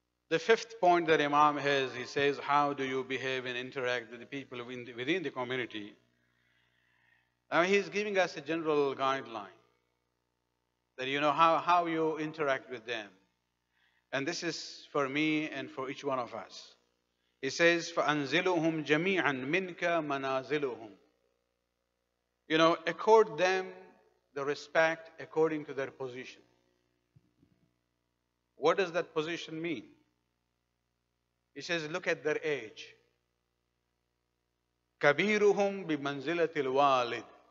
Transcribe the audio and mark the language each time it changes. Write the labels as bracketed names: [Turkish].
[English] The fifth point that Imam has, he says, how do you behave and interact with the people within the community? Now he's giving us a general guideline that you know how you interact with them. And this is for me and for each one of us. [Arabic] He says, فَأَنزِلُهُمْ جَمِيعًا مِنْكَ مَنَازِلُهُمْ. [English] You know, accord them the respect according to their position. What does that position mean? He says, look at their age. [Arabic] كَبِيرُهُمْ بِمَنْزِلَةِ الْوَالِدِ.